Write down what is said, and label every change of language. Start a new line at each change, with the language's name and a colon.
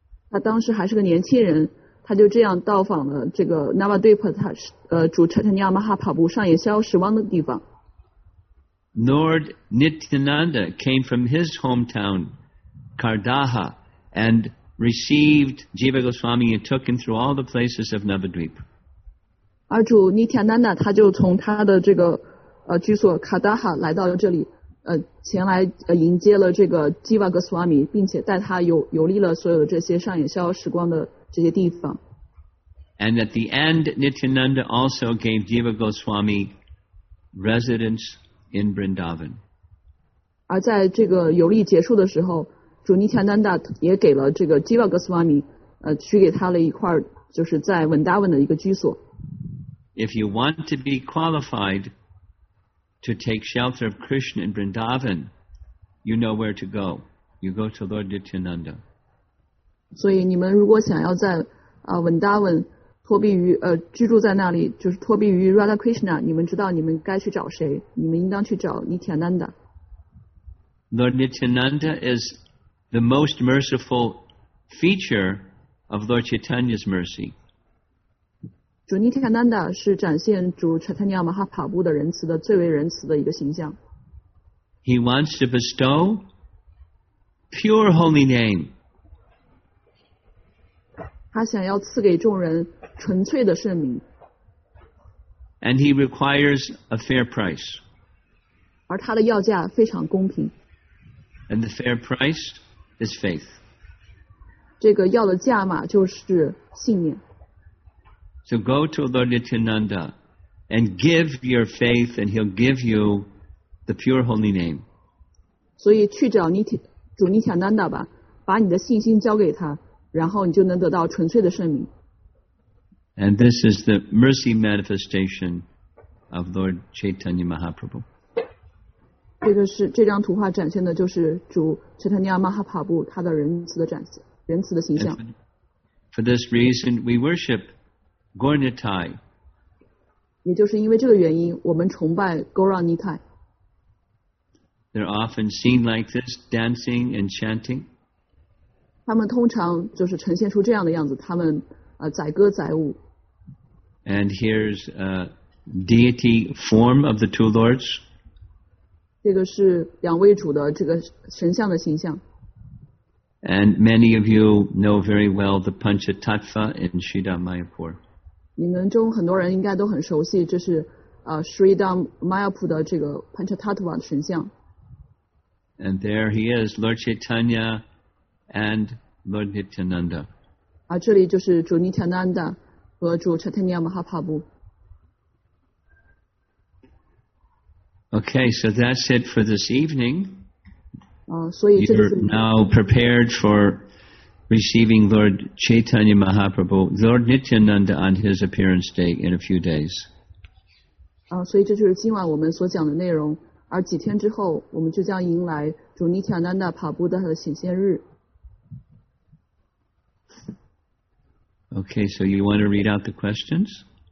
Chinese: 他当时还是个年轻人，他就这样到访了这个 Navadvip， 他主 Chaitanya Mahaprabhu 上演逍遥时光的地方。
English: Lord Nityananda came from his hometown, Kardaha, and received Jiva Goswami and took him through all the places of Navadvip.
Chinese: 而主 Nityananda 他就从他的这个居所卡达哈来到这里，前来迎接了这个基瓦格斯瓦米，并且带他游历了所有的这些上演逍遥时光的这些地方。
English: And at the end, Nityananda also gave Jiva Goswami residence in Vrindavan.
Chinese: 而在这个游历结束的时候，主尼提南达也给了这个基瓦格斯瓦米，许给他了一块就是在文达文的一个居所。
English: If you want to be qualified. To take shelter of Krishna in Vrindavan, you know where to go. You go to Lord Nityananda. So, you
Chinese: 们如果想要在文达文托庇于居住在那里，就是托庇于 Radha Krishna， 你们知道你们该去找谁？你们应当去找 Nityananda.
English: Lord Nityananda is the most merciful feature of Lord Chaitanya's mercy.
Chinese: 主尼提卡南达是展现主 Chaitanya Mahaprabhu 的仁慈的最为仁慈的一个形象。
English: He wants to bestow pure holy name.
Chinese: 他想要赐给众人纯粹的圣名。
English: And he requires a fair price.
Chinese: 而他的要价非常公平。
English: And the fair price is faith.
Chinese: 这个要的价码就是信念。
English: So go to Lord Nityananda and give your faith and he'll give you the pure holy name.
Chinese: 所以去找主尼提南达吧，把你的信心交给他，然后你就能得到纯粹的圣名。
English: And this is the mercy manifestation of Lord Chaitanya Mahaprabhu.
Chinese: 这张图画展现的就是主 Chaitanya Mahaprabhu 他的仁慈的展现，仁慈的形象。
English: For this reason, we worshipGauranitai.
Chinese: 也就是因为这个原因，我们崇拜 Gauranitai.
English: They're often seen like this, dancing and chanting.
Chinese: 他们通常就是呈现出这样的样子，他们载歌载舞。
English: And here's a deity form of the two lords.
Chinese: 这个是两位主的这个神像的形象。
English: And many of you know very well the Panchatattva in Shrida Mayapur.
Chinese: 你们中很多人应该都很熟悉，这是Shrida Mayapu 的这个 Panchatattva 的神像。
English: And there he is, Lord Chaitanya and Lord Nityananda.
Chinese: 这里就是主 Nityananda 和主 Chaitanya Mahaprabhu.
English: Okay, so that's it for this evening. So you're now prepared for. Receiving Lord Chaitanya Mahaprabhu, Lord Nityananda on his appearance day in a few days.
Chinese: 所以这就是今晚我们所讲的内容。而几天之后，我们就将迎来主尼提亚南达帕布的他的显现日。
English: Okay, so you want to read out the questions?